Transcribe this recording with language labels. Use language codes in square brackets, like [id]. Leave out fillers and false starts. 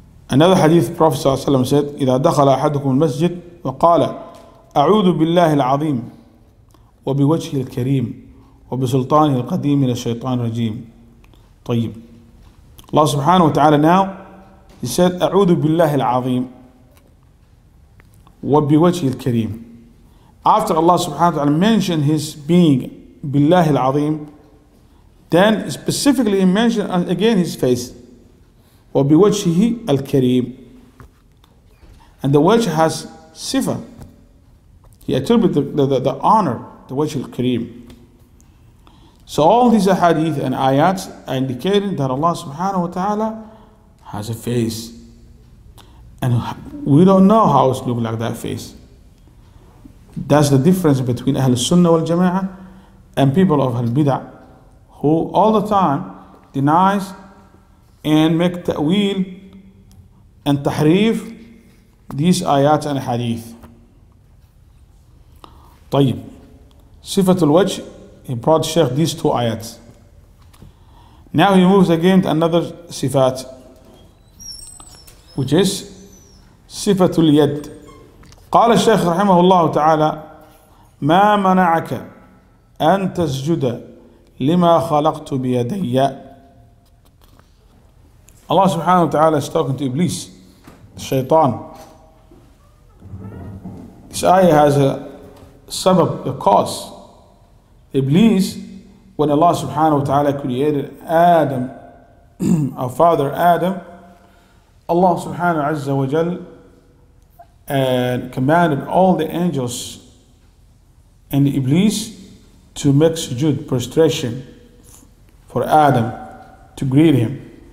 [en] Another hadith, Prophet [ar] صلى الله عليه وسلم [en] said, [ar] إذا دخل أحدكم المسجد وقال أعوذ بالله العظيم وبوجهه الكريم وبسلطانه القديم من الشيطان الرجيم. طيب, الله سبحانه وتعالى [en] now he said [ar] أعوذ بالله العظيم وبوجهه الكريم. [en] After Allah subhanahu wa ta'ala mentioned his being [ar] بالله العظيم, [en] then specifically he mentioned again his face [ar] وبوجهه الكريم. [en] And the wajh has sifa. He attributed the honor, the wajh al-kareem. So all these ahadith and ayats are indicating that Allah subhanahu wa ta'ala has a face. And we don't know how it looks like, that face. That's the difference between Ahl Sunnah wal Jama'ah and people of Ahl Bid'ah, who all the time denies and make ta'wil and tahrif these ayat and hadith. Tayyib. Sifat al-wajh, he brought Shaykh these two ayats. Now he moves again to another sifat, which is [ar] صفه اليد. قال الشيخ رحمه الله تعالى ما منعك ان تسجد لما خلقت بيدي. الله سبحانه وتعالى [en] is talking to Iblis, [ar] الشيطان. [en] This ayah has a sabab, a cause. Iblis, when Allah سبحانه وتعالى created Adam, our father Adam, Allah سبحانه عز وجل and commanded all the angels and Iblis to make sujood, prostration for Adam, to greet him.